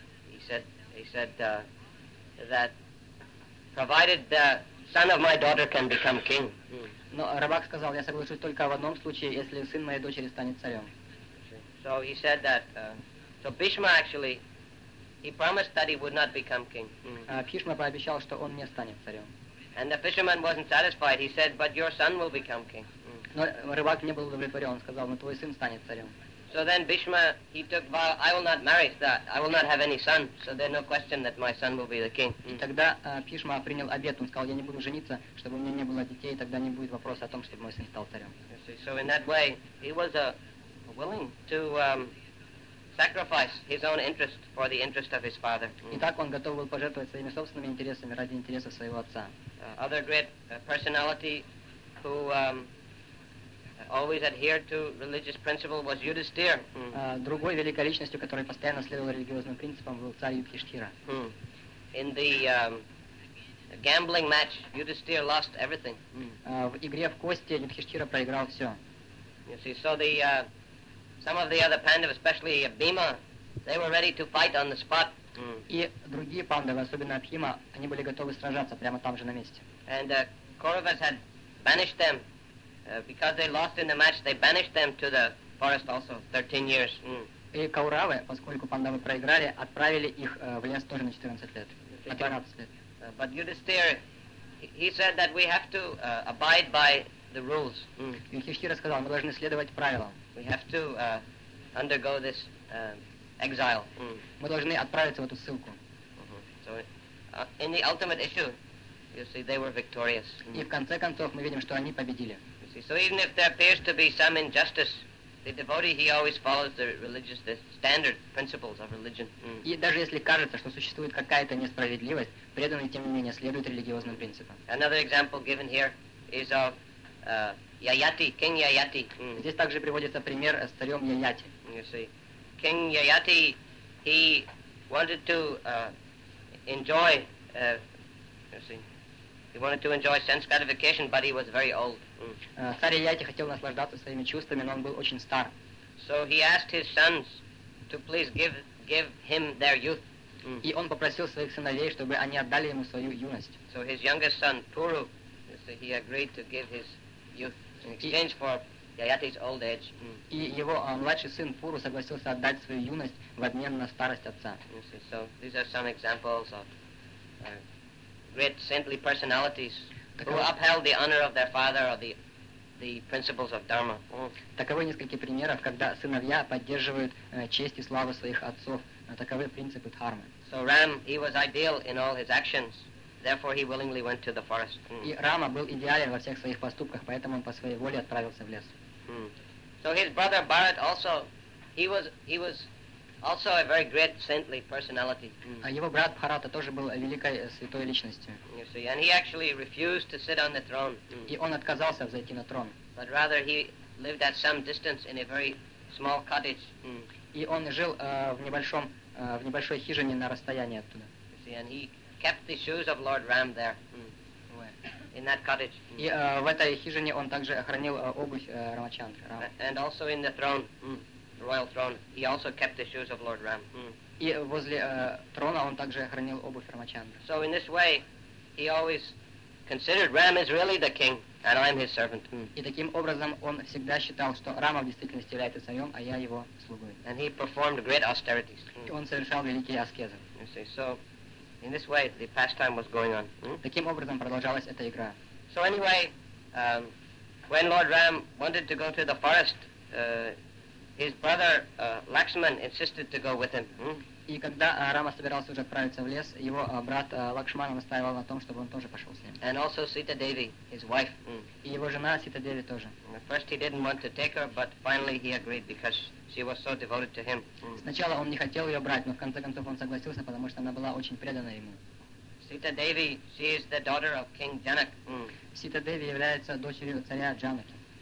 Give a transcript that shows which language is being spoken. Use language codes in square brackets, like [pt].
[en] He said that provided the son of my daughter can become king. [ru] Но рыбак сказал, я соглашусь только в одном случае, если сын моей дочери станет царем. [en] So he said that. So Bhishma actually, he promised that he would not become king. [ru] Бхишма пообещал, что он не станет царем. [en] And the fisherman wasn't satisfied. He said, but your son will become king. [ru] Но рыбак не был удовлетворен. Он сказал, но твой сын станет царем. [en] So then Bhishma, he took vow, I will not marry that, I will not have any son, so there's no question that my son will be the king. [ru] И тогда Бхишма принял обет, он сказал, я не буду жениться, чтобы у меня не было детей, и тогда не будет вопроса о том, чтобы мой сын стал царем. [en] So in that way, he was willing to sacrifice his own interest for the interest of his father. [ru] И так он готов был пожертвовать своими собственными интересами ради интереса своего отца. [en] Other great personality who always adhered to religious principle was Yudhisthira. [ru] Другой великой личностью, который постоянно следовал религиозным принципам, был царь Юдхиштхира. [en] In the gambling match, Yudhisthira lost everything. [ru] В игре в кости Юдхиштхира проиграл все. [en] You see, so the some of the other Pandavas, especially Bhima, they were ready to fight on the spot. [ru] И другие Пандавы, особенно Бхима, они были готовы сражаться прямо там же на месте. [en] And the Kauravas had banished them. Because they lost in the match, they banished them to the forest also, 13 years. [ru] И Кауравы, поскольку Пандавы проиграли, отправили их в лес тоже на 14 лет. [en] But Yudhisthira, he said that we have to abide by the rules. [ru] Юдхиштхира сказал, мы должны следовать правилам. [en] We have to undergo this exile. [ru] Мы должны отправиться в эту ссылку. [en] So in the ultimate issue, you see, they were victorious. [ru] И в конце концов мы видим, что они победили. [en] So even if there appears to be some injustice, The devotee, he always follows the religious, the standard principles of religion. [ru] И даже если кажется, что существует какая-то несправедливость, преданный тем не менее следует религиозным принципам. [en] Another example given here is of Yayati, King Yayati. [ru] Здесь также приводится пример с царем Яяти. [en] You see, King Yayati, he wanted to enjoy, he wanted to enjoy sense gratification, but he was very old. [ru] Царь Яяти хотел наслаждаться своими чувствами, но он был очень стар. [en] So he asked his sons to please give him their youth. [ru] И он попросил своих сыновей, чтобы они отдали ему свою юность. [en] So his youngest son, Puru, he agreed to give his youth in exchange for Yayati's old age. [ru] И его младший сын Пуру согласился отдать свою юность в обмен на старость отца. [en] So these are some examples of great saintly personalities who upheld the honor of their father or the principles of Dharma. [ru] Таковы несколько примеров, когда сыновья поддерживают честь и славу своих отцов. Таковы принципы Дхармы. [en] So Ram, he was ideal in all his actions. Therefore, he willingly went to the forest. [ru] И Рама был идеален во всех своих поступках, поэтому он по своей воле отправился в лес. [en] So his brother Bharat also, he was also a very great saintly personality. [ru] А его брат Бхарата тоже был великой святой личностью. [en] You see, and he actually refused to sit on the throne. [ru] И он отказался взойти на трон. [en] But rather he lived at some distance in a very small cottage. [ru] И он жил в небольшой хижине на расстоянии оттуда. [en] You see, and he kept the shoes of Lord Ram there. In that cottage. [ru] И в этой хижине он также хранил обувь Рамачандры. [en] And also in the throne. Royal throne. He also kept the shoes of Lord Ram. [ru] И возле трона он также хранил обувь Рамачандры. [en] So in this way, he always considered Ram is really the king, and I'm his servant. [ru] И таким образом он всегда считал, что Рама в действительности является царем, а я его слугой. [en] And he performed great austerities. [ru] И он совершал великие аскезы. [en] You see, so in this way, the pastime was going on. [ru] Таким образом продолжалась эта игра. [en] So anyway, when Lord Ram wanted to go to the forest, his brother Lakshman insisted to go with him. [ru] И когда Рама собирался уже отправиться в лес, его брат Лакшмана настаивал на том, чтобы он тоже пошел с ним. [en] And also Sita Devi, his wife. [ru] И его жена Сита Деви тоже. [en] At first he didn't want to take her, but finally he agreed because she was so devoted to him. [ru] Сначала он не хотел ее брать, но в конце концов он согласился, потому что она была очень предана ему. [en] Sita Devi, she is the daughter of King Janak. [ru] Сита Деви является дочерью царя Джанаки.